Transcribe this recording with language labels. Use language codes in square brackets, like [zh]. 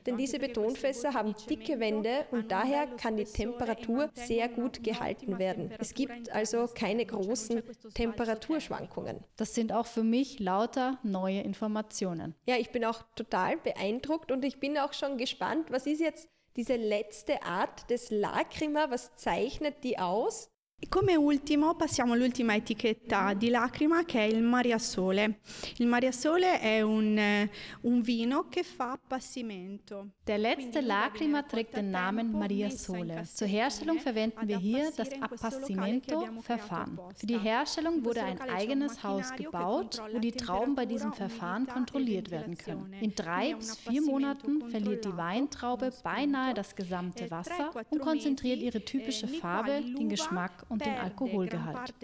[de] Denn diese Betonfässer haben dicke Wände und daher kann die Temperatur sehr gut gehalten werden. Es gibt also keine großen Temperaturschwankungen. Das sind auch für mich lauter neue Informationen. Ja, ich bin auch total beeindruckt und ich bin auch schon gespannt, was ist jetzt diese letzte Art des Lacrima, was zeichnet die aus? [it] Come ultimo, passiamo all'ultima etichetta di lacrima, che è il Mariasole. Il Mariasole è un vino che fa appassimento. [de] Der letzte Lacrima trägt den Namen Mariasole. Zur Herstellung verwenden wir hier das Appassimento-Verfahren. Für die Herstellung wurde ein eigenes Haus gebaut, wo die Trauben bei diesem Verfahren kontrolliert werden können. In 3 bis 4 Monaten verliert die Weintraube beinahe das gesamte Wasser und konzentriert ihre typische Farbe, den Geschmack und den Alkoholgehalt.